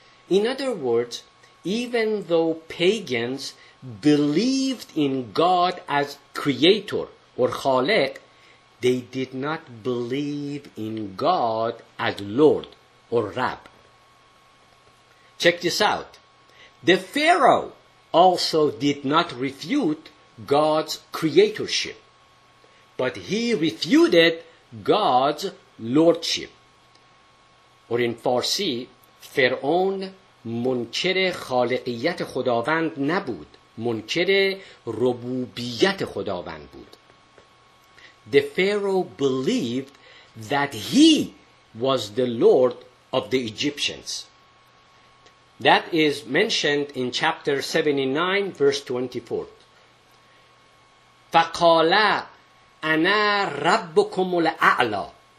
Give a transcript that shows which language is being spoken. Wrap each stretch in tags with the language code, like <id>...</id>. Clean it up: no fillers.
<en>In other words, even though pagans believed in God as creator or khaliq, they did not believe in God as Lord or Rab. Check this out. The Pharaoh also did not refute God's creatorship, but he refuted God's lordship. Or in Farsi,</en> <fa>فرعون منکر خالقیت خداوند نبود، منکر ربوبیت خداوند بود.</fa> <en>The Pharaoh believed that he was the lord of the Egyptians. That is mentioned in chapter 79, verse 24.</en> <ar>فَقَالَ أَنَا رَبُّكُمُ الْأَعْلَى.</ar>